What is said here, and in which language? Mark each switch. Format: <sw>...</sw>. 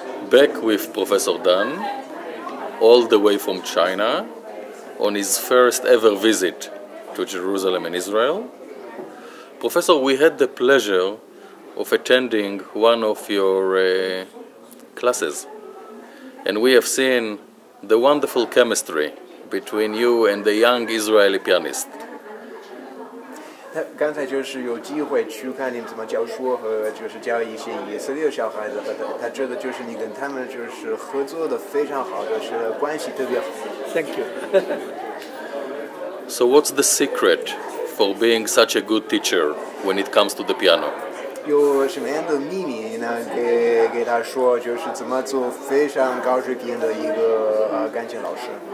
<en>back with Professor Dan all the way from China on his first ever visit to Jerusalem and Israel. Professor, we had the pleasure of attending one of your classes, and we have seen the wonderful chemistry between you and the young Israeli pianist.</en> <zh>刚才就是有机会去看你怎么教书和就是教一些以色列小孩子和他觉得就是你跟他们就是合作的非常好就是关系特别好。Thank</zh> <en>you. So what's the secret for being such a good teacher when it comes to the piano?</en> <zh>有什么样的秘密呢给他说就是怎么做非常高水平的一个钢琴老师。</zh>